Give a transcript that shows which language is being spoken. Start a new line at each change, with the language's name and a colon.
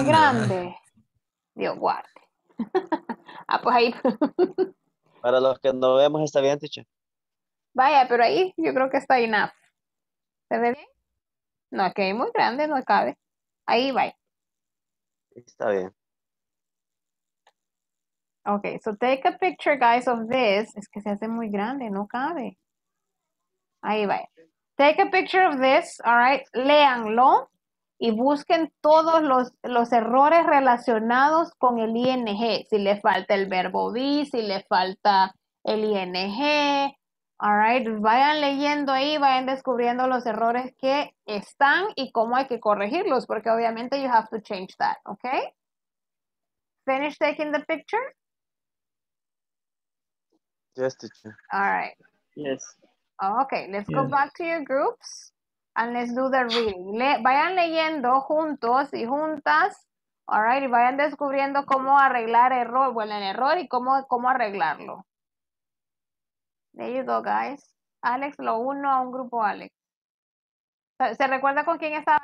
Spanish: Muy grande. Dios guarde. Ah, pues ahí. Para los que no vemos, está bien, teacher. Vaya, pero ahí yo creo que está enough. ¿Se ve bien? No, es que es muy grande, no cabe. Ahí va. Está bien.
English: Ok, so take a picture, guys, of this.
Spanish: Es que se hace muy grande, no cabe. Ahí va.
English: Take a picture of this, all right?
Spanish: Léanlo y busquen todos los errores relacionados con el ING. Si le falta el verbo be, si le falta el ING. All right, vayan leyendo ahí, vayan descubriendo los errores que están y cómo hay que corregirlos, porque obviamente
English: you have to change that, okay? Finish taking the picture. Yes, teacher. All right. Yes. Okay, let's go back to your groups and let's do the reading.
Spanish: Vayan leyendo juntos y juntas, all right, y vayan descubriendo cómo arreglar error, bueno, el error y cómo arreglarlo.
English: There you go, guys.
Spanish: Alex, lo uno a un grupo, Alex. ¿Se recuerda con quién estaba?